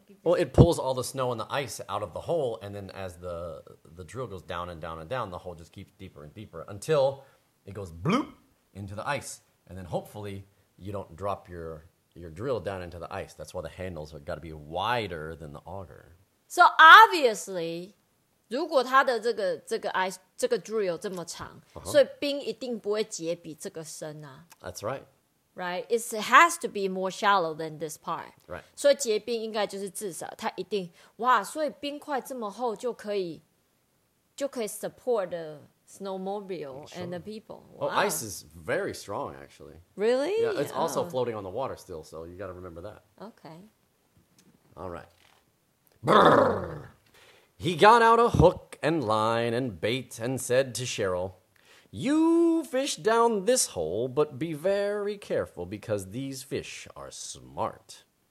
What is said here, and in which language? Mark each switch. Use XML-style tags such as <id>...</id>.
<en>Well, it pulls all the snow and the ice out of the hole, and then as the drill goes down and down and down, the hole just keeps deeper and deeper until it goes bloop into the ice, and then hopefully you don't drop your drill down into the ice. That's why the handles have got to be wider than the auger. So obviously,</en> <zh>如果它的这个 ice 这个 drill 这么长，所以冰一定不会结比这个深啊。</zh> <en>That's right. Right, it has to be more shallow than this part. Right.</en> <zh>所以结冰应该就是至少它一定哇，所以冰块这么厚就可以</zh> <en>support the snowmobile、 sure. and the people. Oh,、wow. ice is very strong, actually. Really? Yeah, it's also floating on the water still, so you got to remember that. Okay. All right. Brrr! He got out a hook and line and bait and said to Cheryl,You fish down this hole, but be very careful because these fish are smart.</en>